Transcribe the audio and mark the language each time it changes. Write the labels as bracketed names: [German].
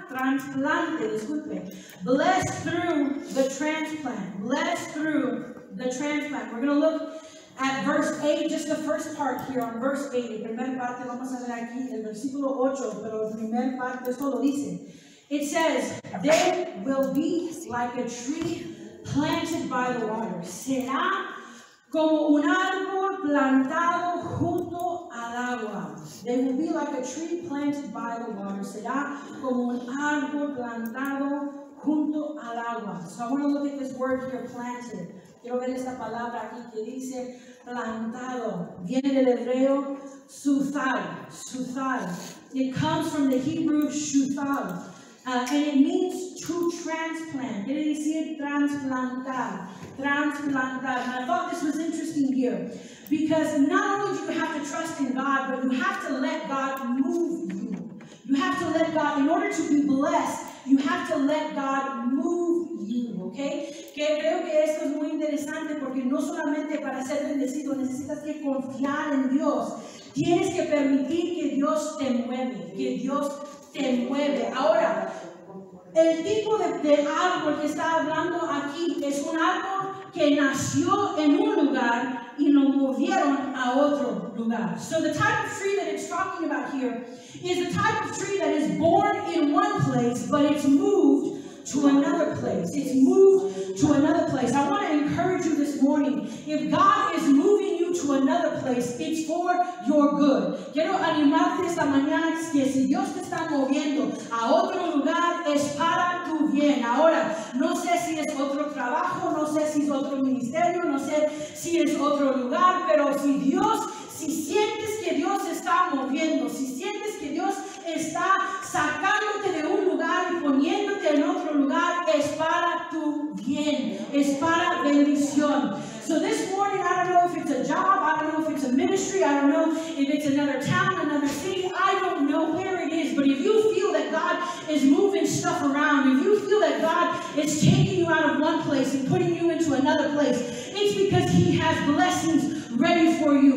[English] Blessed through the transplant. Blessed through the transplant. We're going to look at verse 8, just the first part here on verse 8. [Spanish] El primer parte vamos a ver aquí, el versículo 8, pero el primer parte es todo, dice. [English] It says, they will be like a tree planted by the water. [Spanish] Será como un árbol plantado junto al agua. [English] They will be like a tree planted by the water. [Spanish] Será como un árbol plantado junto al agua. [English] So I want to look at this word here, planted. [Spanish] Quiero ver esta palabra aquí que dice plantado. Viene del hebreo suthal, suthal. [English] It comes from the Hebrew shuthal. And it means to transplant. [Spanish] Quiere decir transplantar. Transplantar. [English] And I thought this was interesting here. Because not only do you have to trust in God, but you have to let God move you. You have to let God, in order to be blessed, you have to let God move you, okay? [Spanish] Que creo que esto es muy interesante porque no solamente para ser bendecido necesitas que confiar en Dios. Tienes que permitir que Dios te mueve, que Dios te mueve. Ahora, el tipo de árbol que está hablando aquí es un árbol que nació en un lugar y lo movieron a otro lugar. [English] So the type of tree that it's talking about here is the type of tree that is born in one place, but it's moved to another place. It's moved to another place. I want to encourage you this morning. If God is moving you to another place, it's for your good. [Spanish] Quiero animarte esta mañana que si Dios te está moviendo a otro lugar, es para tu bien. Ahora, no sé si es otro trabajo, no sé si es otro ministerio, no sé si es otro lugar, pero si Dios, si sientes que Dios está moviendo, si sientes que Dios está sacándote de un lugar y poniéndote en otro lugar, es para tu bien, es para bendición. [English] So this morning, I don't know if it's a job, I don't know if it's a ministry, I don't know if it's another town, another city, I don't know where it is, but if you feel that God is moving stuff around, if you feel that God is taking you out of one place and putting you into another place, it's because He has blessings ready for you.